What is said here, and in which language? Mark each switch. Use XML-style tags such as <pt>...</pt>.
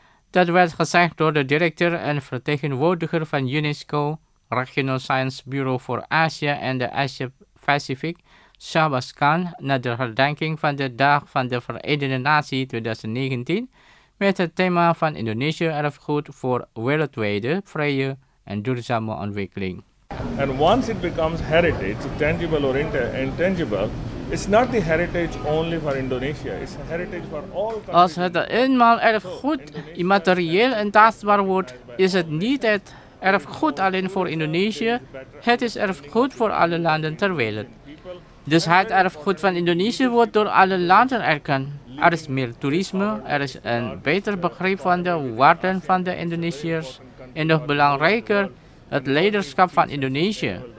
<nl>Dat werd gezegd door de directeur en vertegenwoordiger van UNESCO, Regional Science Bureau for Asia and the Asia-Pacific, Shahbaz Khan, na de herdenking van de Dag van de Verenigde Naties 2019, met het thema van Indonesië erfgoed voor wereldwijde, vrije en duurzame ontwikkeling.</nl> <en>And once it becomes heritage, tangible or intangible, it's not the heritage only for Indonesia, it's a heritage for all countries.</en> <nl>Als het eenmaal erfgoed immaterieel en tastbaar wordt, is het niet het erfgoed alleen voor Indonesië, het is erfgoed voor alle landen ter wereld. Dus het erfgoed van Indonesië wordt door alle landen erkend. Er is meer toerisme, er is een beter begrip van de waarden van de Indonesiërs en nog belangrijker, het leiderschap van Indonesië.</nl>